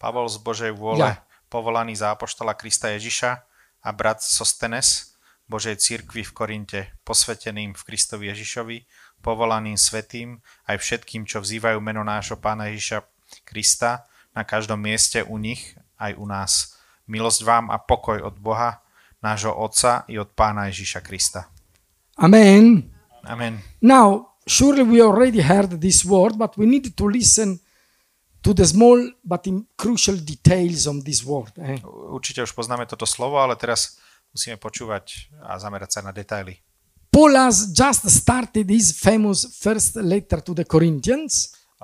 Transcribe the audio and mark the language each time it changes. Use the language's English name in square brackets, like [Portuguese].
[Slovak] Pavol z Božej vôle, povolaný za apoštola Krista Ježiša a brat Sostenes Božej cirkvi v Korinte, posveteným v Kristovi Ježišovi, povolaným svätým aj všetkým, čo vzývajú meno nášho Pána Ježiša Krista, na každom mieste u nich aj u nás. Milosť vám a pokoj od Boha, nášho Otca i od Pána Ježiša Krista. Amen. Amen. [English] Now, surely we already heard this word, but we need to listen to the small but crucial details on this word. [Slovak] Určite už poznáme toto slovo, ale teraz musíme počúvať a zamerať sa na detaily. [English] Paul has just started his famous first letter to the Corinthians.